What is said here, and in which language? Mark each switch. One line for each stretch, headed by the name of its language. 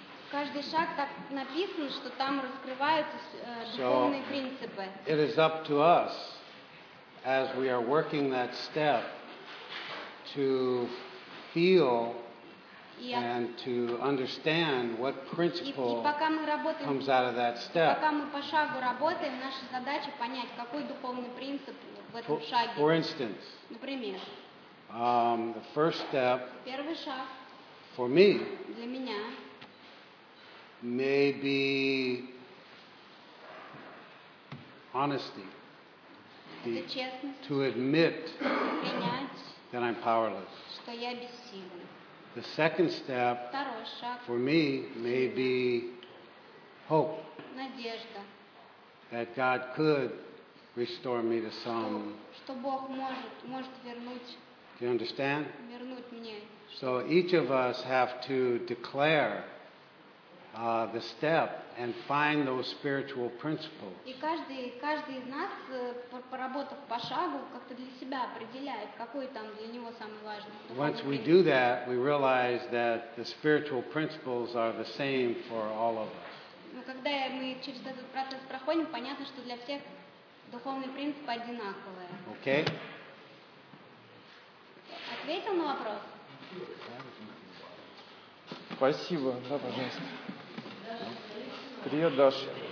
Russian: Каждый шаг так написан, что там раскрываются духовные принципы.
English: It is up to us as we are working that step to feel and to understand what principle comes out of that step.
Russian: Пока мы по шагу работаем, наша задача понять, какой духовный принцип в этом шаге.
English: For instance,
Russian: например,
English: the first step,
Russian: первый шаг,
English: for me,
Russian: для меня,
English: may be honesty,
Russian: это честность,
English: to admit
Russian: принять,
English: that I'm powerless.
Russian: Что я бессилен.
English: The second step for me may be hope
Russian: надежда,
English: that God could restore me to some.
Russian: Что Бог может вернуть,
English: do you understand?
Russian: Вернуть мне.
English: So each of us have to declare the step and find those spiritual principles.
Russian: И каждый из нас, поработав по шагу, как-то для себя определяет, какой там для него самый важный принцип.
English: Once we do that, we realize that the spiritual principles are the same for all of us.
Russian: Но когда мы через этот процесс проходим, понятно, что для всех духовные принципы одинаковые.
English: Okay.
Russian: Ответил на вопрос? Спасибо. Да, пожалуйста. Привет, Даша.